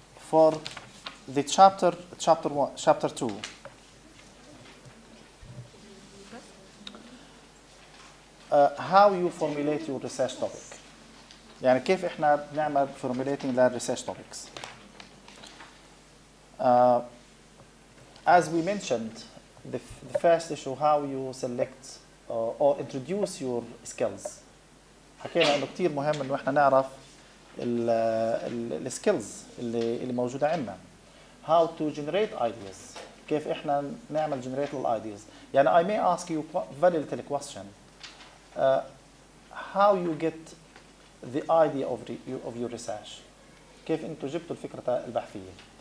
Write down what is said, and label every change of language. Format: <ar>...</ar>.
<en>For the chapter 2, how you formulate your research topic.</en> <ar>يعني كيف احنا بنعمل</ar> <en>formulating the research topics. As we mentioned, the first issue, how you select or introduce your skills.</en> <ar>حكينا إنه كتير مهم إنه إحنا نعرف ال skills اللي موجودة عندنا.</ar> <en>How to generate ideas.</en> <ar>كيف إحنا نعمل</ar> <en>generate the ideas.</en> <ar>يعني</ar> <en>I may ask you very little question. How you get the idea of your research.</en> <ar>كيف أنتوا جبتوا الفكرة البحثية.</ar>